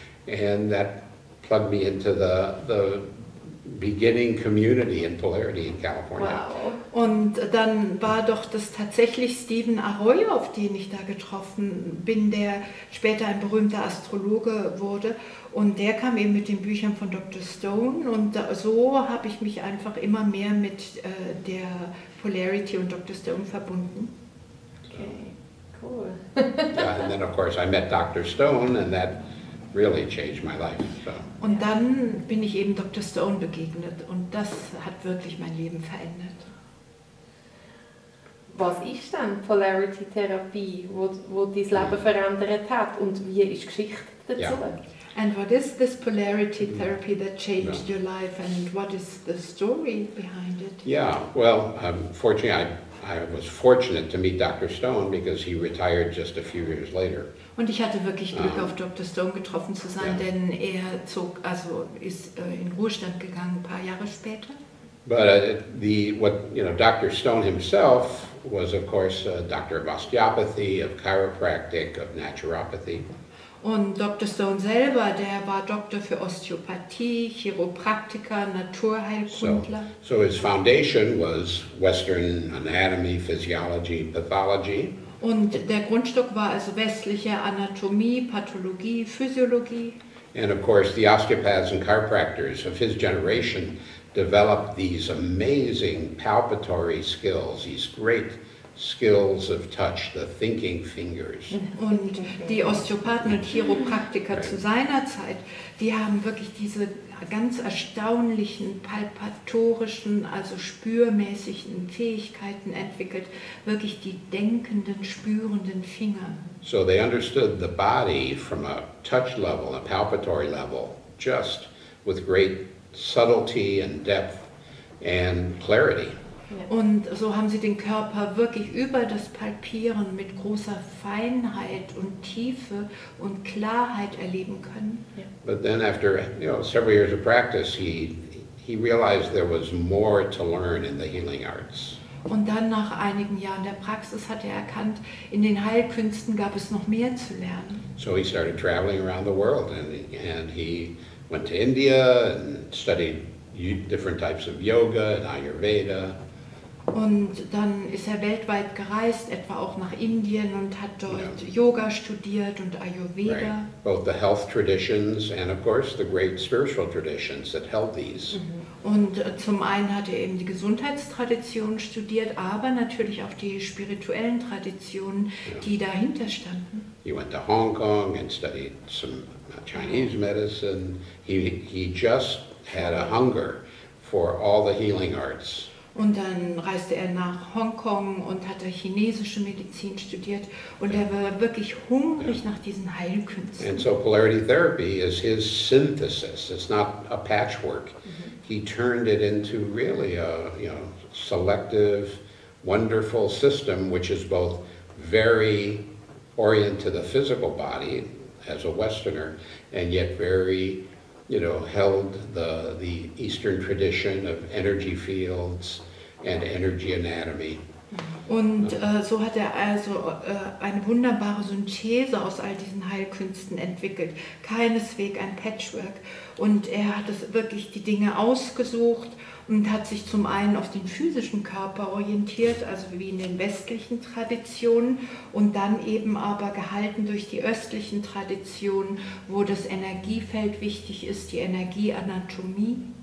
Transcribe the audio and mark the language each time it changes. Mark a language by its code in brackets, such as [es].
[en] And that plugged me into the beginning community in Polarity in California. Wow. [de] Und dann war doch das tatsächlich Stephen Arroyo, auf den ich da getroffen bin, der später ein berühmter Astrologe wurde. Und der kam eben mit den Büchern von Dr. Stone. Und da, so habe ich mich einfach immer mehr mit der Polarity und Dr. Stone verbunden. [en] Okay, cool. Yeah, and then of course I met Dr. Stone, and that really changed my life. So. [de] Und dann bin ich eben Dr. Stone begegnet, und das hat wirklich mein Leben verändert. Was ist denn Polarity-Therapie, wo dein Leben verändert hat, und wie ist Geschichte dazu? [en] Yeah. And what is this Polarity-Therapy that changed your life, and what is the story behind it? Yeah, well, fortunately, I was fortunate to meet Dr. Stone, because he retired just a few years later. [de] Und ich hatte wirklich Glück, auf Dr. Stone getroffen zu sein, ja. Denn er ist in Ruhestand gegangen ein paar Jahre später. [en] But Dr. Stone himself was of course a doctor of osteopathy, of chiropractic, of naturopathy. [de] Und Dr. Stone selber, der war Doktor für Osteopathie, Chiropraktiker, Naturheilkundler. [en] So his foundation was Western anatomy, physiology, pathology. [de] Und der Grundstock war also westliche Anatomie, Pathologie, Physiologie. [en] And of course the osteopaths and chiropractors of his generation developed these amazing palpatory skills, these great skills of touch, the thinking fingers. [de] Und die Osteopathen und Chiropraktiker zu seiner Zeit, die haben wirklich diese ganz erstaunlichen palpatorischen, also spürmäßigen Fähigkeiten entwickelt, wirklich die denkenden, spürenden Finger. [en] So they understood the body from a touch level, a palpatory level, just with great subtlety and depth and clarity. [de] Und so haben sie den Körper wirklich über das Palpieren mit großer Feinheit und Tiefe und Klarheit erleben können. [en] But then after several years of practice, he realized there was more to learn in the healing arts. [de] Und dann nach einigen Jahren der Praxis hat er erkannt, in den Heilkünsten gab es noch mehr zu lernen. [en] So he started traveling around the world and he went to India and studied different types of yoga and Ayurveda. [de] Und dann ist er weltweit gereist, etwa auch nach Indien und hat dort Yoga studiert und Ayurveda. [en] Right. Both the health traditions and of course the great spiritual traditions that held these. [de] Und zum einen hat er eben die Gesundheitstradition studiert, aber natürlich auch die spirituellen Traditionen, die dahinter standen. [en] He went to Hong Kong and studied some Chinese medicine. He just had a hunger for all the healing arts. [de] Und dann reiste er nach Hongkong und hatte chinesische Medizin studiert und er war wirklich hungrig nach diesen Heilkünsten. [en] And so polarity therapy is his synthesis. It's not a patchwork. He turned it into really a selective, wonderful system which is both very oriented to the physical body as a Westerner and yet very held the Eastern tradition of energy fields and energy anatomy. [de] Und so hat er also eine wunderbare Synthese aus all diesen Heilkünsten entwickelt. Keineswegs ein Patchwork. Und er hat es wirklich die Dinge ausgesucht und hat sich zum einen auf den physischen Körper orientiert, also wie in den westlichen Traditionen, und dann eben aber gehalten durch die östlichen Traditionen, wo das Energiefeld wichtig ist, die Energieanatomie.